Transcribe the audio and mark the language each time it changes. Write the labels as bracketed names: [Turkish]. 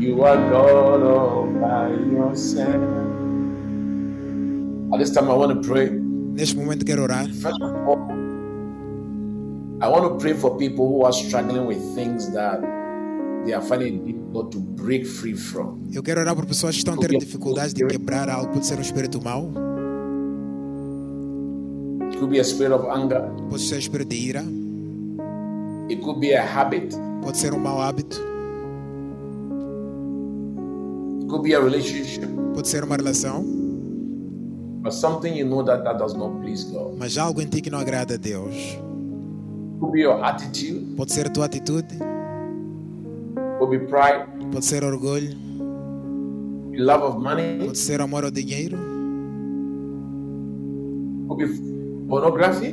[English] You are God all by yourself. At this time, I want to pray. [Portuguese] Neste momento quero orar. [English] First of all, I want to pray for people who are struggling with things that they are finding difficult to break free from. [Portuguese] Eu quero orar por pessoas que estão tendo dificuldades de quebrar algo, pode ser um espírito mau. [English] It could be a spirit of anger. [Portuguese] Pode ser um espírito de ira. [English] It could be a habit. [Portuguese] Pode ser um mau hábito. [English] Could be a relationship. [Portuguese] Pode ser uma relação. [English] But something you know that does not please God. [Portuguese] Mas há algo em ti que não agrada a Deus. [English] Could be your attitude. [Portuguese] Pode ser a tua atitude. [English] Could be pride. [Portuguese] Pode ser orgulho. [English] Be love of money. [Portuguese] Pode ser amor ao dinheiro. [English] Could be pornography.